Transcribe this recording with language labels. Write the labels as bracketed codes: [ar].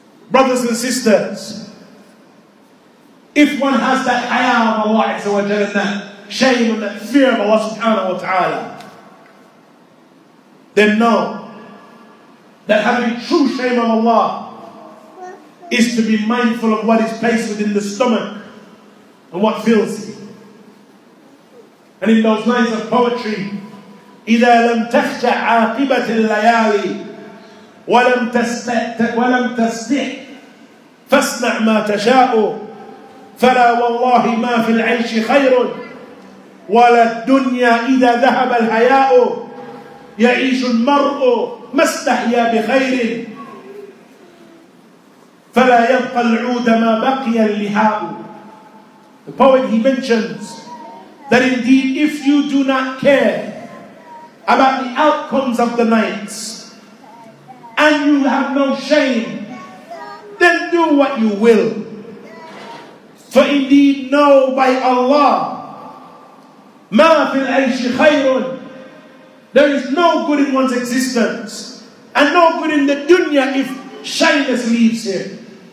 [en] Brothers and sisters, if one has that haya of Allah Azza wa Jalla, that shame and that fear of Allah subhanahu wa ta'ala, then know that having true shame of Allah is to be mindful of what is placed within the stomach and what fills it. And in those lines of poetry, [ar] إِذَا لَمْ تَخْجَعْ عَاقِبَةِ اللَّيَالِ وَلَمْ تَسْتِحْ فَاسْنَعْ مَا تَشَاءُ فَلَا وَاللَّهِ مَا فِي الْعَيْشِ خَيْرٌ وَلَا الدُّنْيَا إِذَا ذَهَبَ الْحَيَاءُ يَعِيشُ الْمَرْءُ مَا اسْتَحْيَا بِخَيْرٍ فَلَا يَبْقَى الْعُودَ مَا بَقِيَ الْلِحَاءُ. [en] The poet, he mentions that indeed if you do not care about the outcomes of the nights and you have no shame, then do what you will. For indeed, know by Allah, [ar] مَا فِي الْعَيْشِ خَيْرٌ, [en] there is no good in one's existence and no good in the dunya if shyness leaves him.